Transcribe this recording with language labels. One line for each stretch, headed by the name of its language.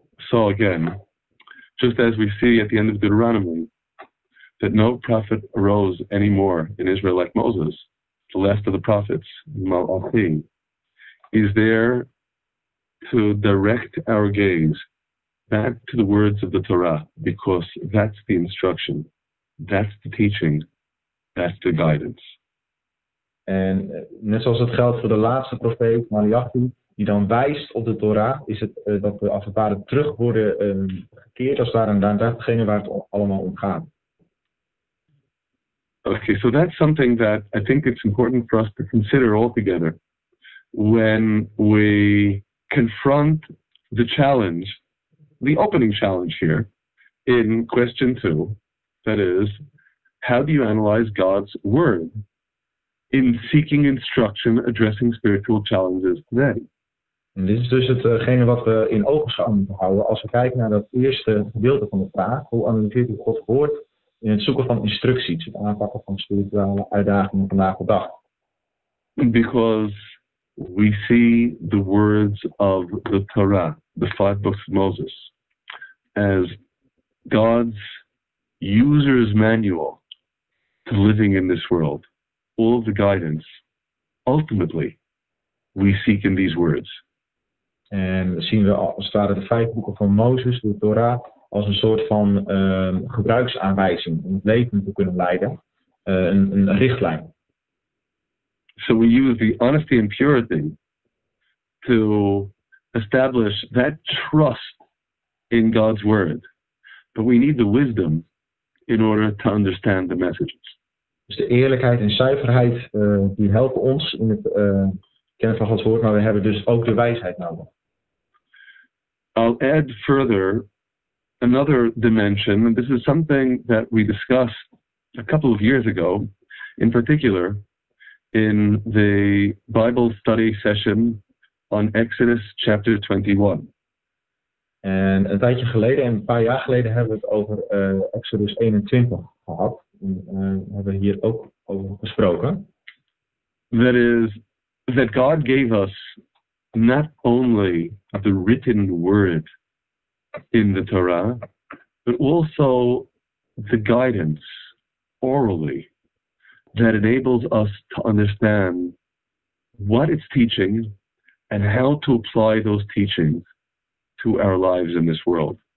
English: So again, just as we see at the end of Deuteronomy, that no prophet arose anymore in Israel like Moses, the last of the prophets, Malachi, is there to direct our gaze back to the words of the Torah, because that's the instruction, that's the teaching, that's the guidance.
Dutch: En net zoals het geldt voor de laatste profeet, Malachi, die dan wijst op de Torah, is het dat we als het ware terug worden gekeerd als daar en daar datgene waar het allemaal om gaat.
English: Okay, so that's something that I think it's important for us to consider altogether when we confront the challenge, the opening challenge here, in question 2, that is, how do you analyze God's word in seeking instruction addressing spiritual challenges today?
Dutch: En dit is dus hetgene wat we in oogenschouw moeten houden als we kijken naar dat eerste gedeelte van de vraag. Hoe analyseert u Gods woord in het zoeken van instructies, het aanpakken van spirituele uitdagingen vandaag de dag?
English: Because we see the words of the Torah, the five books of Moses, as God's user's manual to living in this world. All the guidance, ultimately, we seek in these words.
Dutch: En zien we als het ware de vijf boeken van Mozes, de Torah, als een soort van gebruiksaanwijzing om het leven te kunnen leiden, een richtlijn.
English: So we use the honesty and purity to establish that trust in God's word. But we need the wisdom in order to understand the messages.
Dutch: Dus de eerlijkheid en zuiverheid die helpen ons in het kennen van Gods woord, maar we hebben dus ook de wijsheid nodig.
English: I'll add further another dimension, and this is something that we discussed a couple of years ago, in particular in the Bible study session on Exodus chapter 21.
Dutch: En een tijdje geleden, en een paar jaar geleden, hebben we het over Exodus 21 gehad. Hebben hier ook over gesproken.
English: That is, that God gave us not only the written word in the Torah, but also the guidance orally that enables us to understand what it's teaching and how to apply those teachings to our lives in this world.